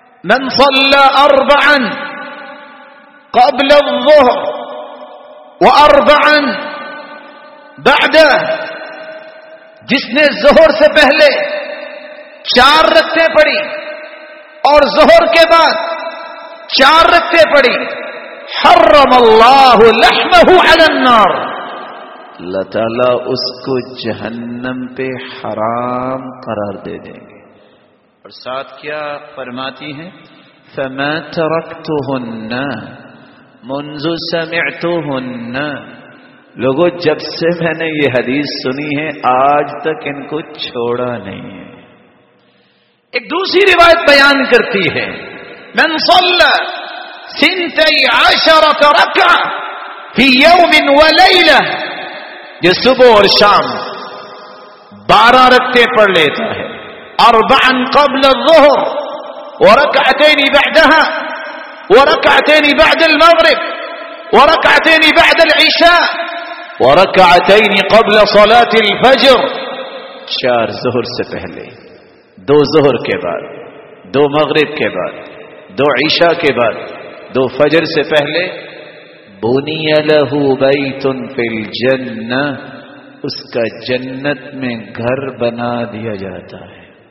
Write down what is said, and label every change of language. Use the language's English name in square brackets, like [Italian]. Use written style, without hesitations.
[Arabic] من صلى اربعا قبل الظهر واربعا بعده, [Urdu] جس نے ظہر سے پہلے چار رکعتیں پڑھی اور ظہر کے بعد چار رکعتیں پڑھی, [Arabic] حرم اللہ لحمہ علی النار, [Urdu] اللہ تعالیٰ اس کو جہنم پہ حرام قرار دے دیں گے. اور ساتھ کیا فرماتی ہیں, [Arabic] فما ترکتهن منذ سمعتهن [Urdu] لوگوں جب سے میں نے یہ حدیث سنی ہے آج تک ان کو چھوڑا نہیں ہے. ایک دوسری روایت بیان کرتی ہے, [Arabic] من صلى سنتي عشرة ركعة في يوم وليلة, [Urdu] جو صبح اور شام 12 رکعتیں پڑھ لیتا ہے, [Arabic] اربعا قبل الظهر وركعتين بعدها وركعتين بعد المغرب وركعتين بعد العشاء وركعتين قبل صلاة الفجر, [Urdu] 4 ظهر سے پہلے, 2 ظهر کے بعد, 2 مغرب کے بعد, 2 عشاء کے بعد, 2 فجر سے پہلے, [Arabic] بنی له بیت فی الجنہ, [Urdu] اس کا جنت میں گھر بنا دیا جاتا ہے.